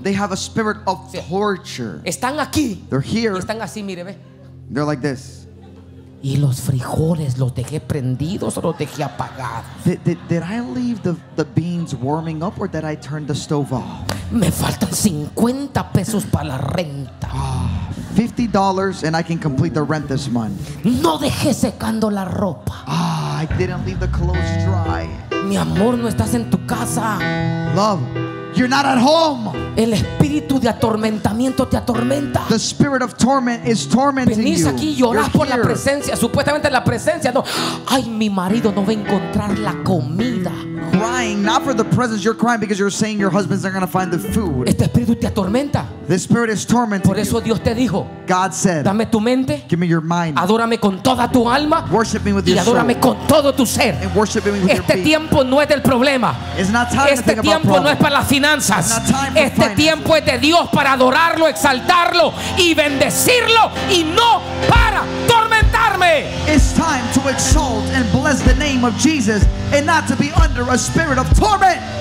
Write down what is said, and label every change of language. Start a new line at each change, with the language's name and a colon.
English: They have a spirit of torture.
Spanish: Están aquí.
English: They're here.
Spanish: Y están así, mire, ve.
English: They're like this.
Spanish: Y los frijoles los dejé prendidos o los dejé apagados.
English: Did I leave the beans warming up or did I turn the stove off?
Spanish: Me faltan 50 pesos para la renta.
English: $50 and I can complete the rent this month.
Spanish: No dejé secando la ropa.
English: I didn't leave the clothes dry.
Spanish: Mi amor, no estás en tu casa.
English: Love, you're not at home.
Spanish: El espíritu de atormentamiento te atormenta.
English: The spirit of torment is tormenting you.
Spanish: Venís aquí y llorás por la presencia, supuestamente la presencia. No, ay, mi marido no va a encontrar la comida.
English: Crying, not for the presence, you're crying because you're saying your husband's not going to find the food.
Spanish: Este espíritu te atormenta.
English: This spirit is tormenting
Spanish: you. Por eso Dios te dijo,
English: God said,
Spanish: dame tu mente,
English: give me your mind.
Spanish: Adórame con toda tu alma.
English: Worship me with your soul.
Spanish: Y adórame con todo tu ser.
English: And worship me with your being.
Spanish: Este tiempo no es del problema.
English: It's not time to think about problems.
Spanish: Este tiempo no es para las finanzas.
English: It's not time for finances.
Spanish: Este tiempo es de Dios para adorarlo, exaltarlo y bendecirlo y no para atormentarme.
English: It's time to exalt and bless the name of Jesus and not to be under a spirit of torment.